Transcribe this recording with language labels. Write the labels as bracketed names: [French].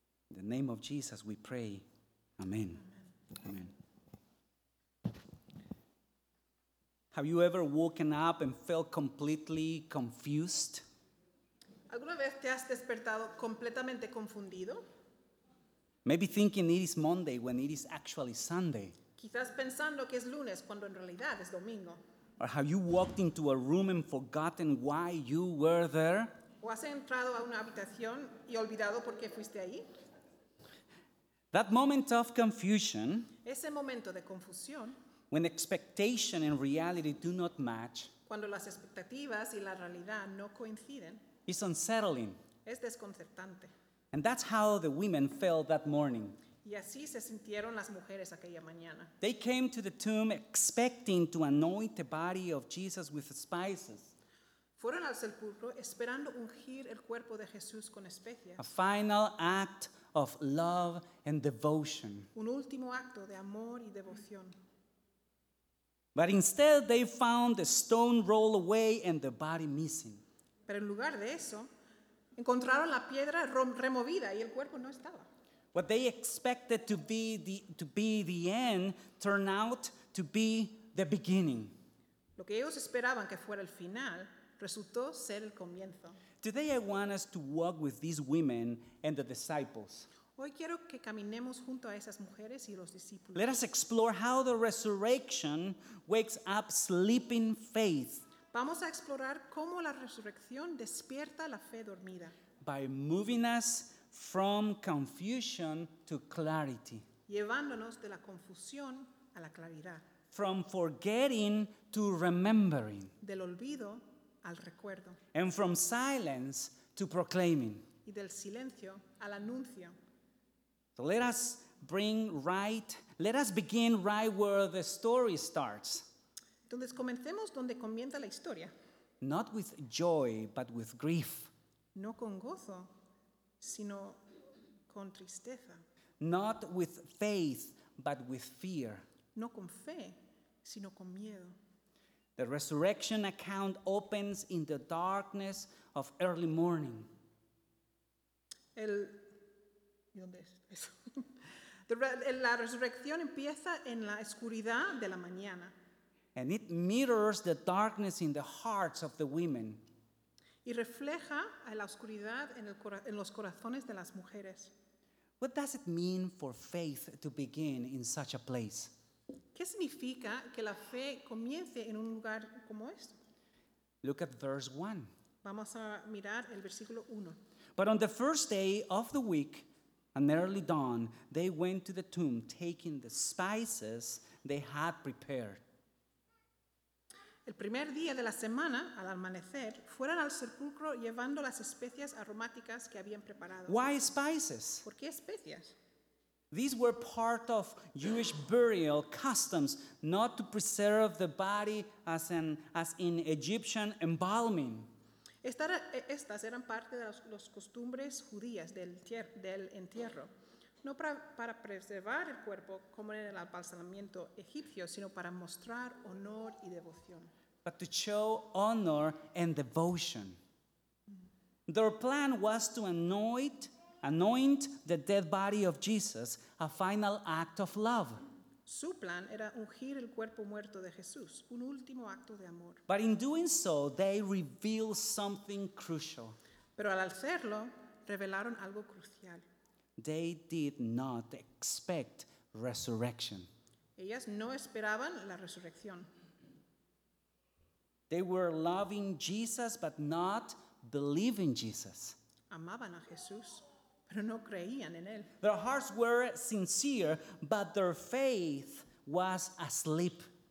[English] In the name of Jesus, we pray. Amen. Amen. Amen. Have you ever woken up and felt completely confused? [Spanish] ¿Alguna vez te has despertado completamente confundido? [English] Maybe thinking it is Monday when it is actually Sunday. [Spanish] Quizás pensando que es lunes cuando en realidad es domingo. [English] Or have you walked into a room and forgotten why you were there? [Spanish] ¿O has entrado a una habitación y olvidado por qué fuiste ahí? [English] That moment of confusion, [Spanish] ese momento de confusión, [English] when expectation and reality do not match, [Spanish] cuando las expectativas y la realidad no coinciden, [English] is unsettling. [Spanish] Es desconcertante. [English] And that's how the women felt that morning. [Spanish] Y así se sintieron las mujeres aquella mañana. [English] They came to the tomb expecting to anoint the body of Jesus with spices. [Spanish] fueron al sepulcro esperando ungir el cuerpo de Jesús con especias. [English] A final act of love and devotion. [Spanish] Un último acto de amor y devoción. [English] But instead they found the stone rolled away and the body missing. [Spanish] Pero en lugar de eso, encontraron la piedra removida y el cuerpo no estaba. [English] What they expected to be the end turned out to be the beginning. [Spanish] Lo que ellos esperaban que fuera el final resultó ser el comienzo. [English] Today I want us to walk with these women and the disciples. [Spanish] Hoy quiero que caminemos junto a esas mujeres y los discípulos. [English] Let us explore how the resurrection wakes up sleeping faith. [Spanish] Vamos a explorar cómo la resurrección despierta la fe dormida. [English] By moving us from confusion to clarity. [Spanish] Llevándonos de la confusión a la claridad. [English] From forgetting to remembering. [Spanish] Del olvido al recuerdo. [English] And from silence to proclaiming. [Spanish] Y del silencio al anuncio. [English] So let us begin right where the story starts. [Spanish] Entonces comencemos donde comienza la historia. [English] Not with joy, but with grief. [Spanish] No con gozo, sino con tristeza. [English] Not with faith, but with fear. [Spanish] No con fe, sino con miedo. [English] The resurrection account opens in the darkness of early morning. [Spanish] La resurrección empieza en la oscuridad de la mañana. [English] And it mirrors the darkness in the hearts of the women. [Spanish] Y refleja a la oscuridad en los corazones de las mujeres. [English] What does it mean for faith to begin in such a place? [Spanish] ¿Qué significa que la fe comience en un lugar como este? [English] Look at verse 1. [Spanish] Vamos a mirar el versículo 1. [English] But on the first day of the week, an early dawn, they went to the tomb, taking the spices they had prepared. [Spanish] El primer día de la semana, al amanecer, fueron al sepulcro llevando las especias aromáticas que habían preparado. [English] Why spices? [Spanish] ¿Por qué especias? [English] These were part of Jewish burial customs, not to preserve the body as in Egyptian embalming. [Spanish] Estas eran parte de las costumbres judías del entierro. No para preservar el cuerpo como en el embalsamamiento egipcio, sino para mostrar honor y devoción. [English] But to show honor and devotion. Their plan was to anoint the dead body of Jesus, a final act of love. [Spanish] Su plan era ungir el cuerpo muerto de Jesús, un último acto de amor. [English] But in doing so, they revealed something crucial. [Spanish] Pero al hacerlo, revelaron algo crucial. [English] They did not expect resurrection. [Spanish] Ellas no esperaban la resurrección. [English] They were loving Jesus, but not believing Jesus. [Spanish] Amaban a Jesús, pero no creían en él. [English] Their hearts were sincere, but their faith was asleep.